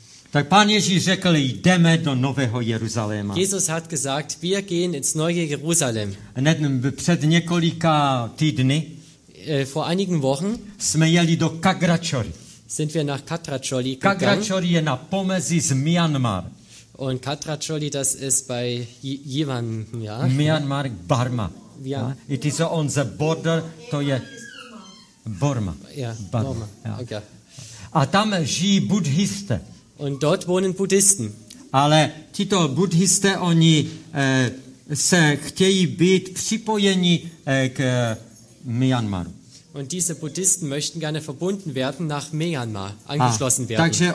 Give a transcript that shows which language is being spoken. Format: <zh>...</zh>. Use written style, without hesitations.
<cs>Tak Pán Ježíš řekl, jdeme do Nového Jeruzaléma.</cs> <de>Jesus hat gesagt, wir gehen ins neue Jerusalem.</de> <cs>Hned před několika týdny</cs> <de>vor einigen Wochen</de> <cs>jsme jeli do Kagračory.</cs> <de>Sind wir nach Katracholi gegangen.</de> <cs>Kagračory je na pomezí s Myanmar.</cs> <de>Und Katracholi, das ist bei Jivan, ja? Myanmar, Burma. Ja.</de> <en>It is on the border,</en> <cs>to je Burma.</cs> <de>Ja, Burma. Ja. Okay.</de> <cs>A tam žijí buddhisté.</cs> <de>Und dort wohnen Buddhisten.</de> <cs>Ale tito buddhisté, oni se chtějí být připojeni k Myanmaru.</cs> <de>Und diese Buddhisten möchten gerne verbunden werden nach Myanmar, angeschlossen werden.</de>